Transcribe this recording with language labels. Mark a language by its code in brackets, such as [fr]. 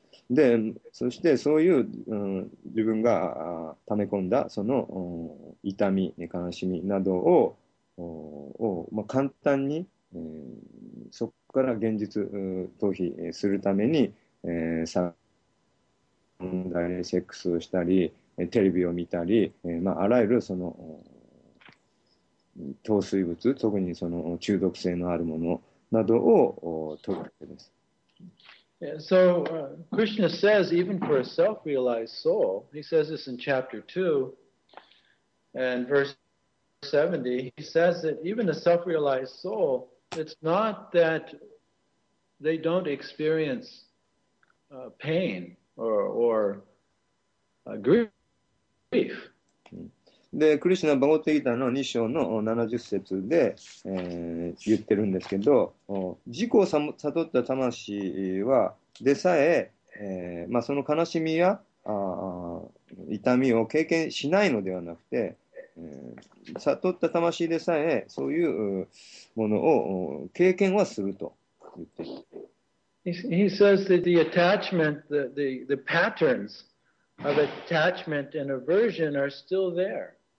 [ja] で、そしてそういう、うん、自分が溜め込んだその、うん、痛み、悲しみなどを、を、まあ、簡単に、そこから現実、逃避するために、サンダリセックスをしたり、テレビを見たり、まあ、あらゆるその糖水物、特にその中毒性のあるものなどを取るわけです。 [en] So, Krishna says, even for a self-realized soul, he says this in chapter 2 and verse 70, he says that even a self-realized soul, it's not that they don't experience pain or grief. [ja] で、クリシュナ・バゴヴァッド・ギーターの2章の70節で、言ってるんですけど、自己を悟った魂はでさえ、まあ、その悲しみや痛みを経験しないのではなくて、悟った魂でさえそういうものを経験はすると言っている。 [en] He says that the attachment, the patterns of attachment and aversion are still there.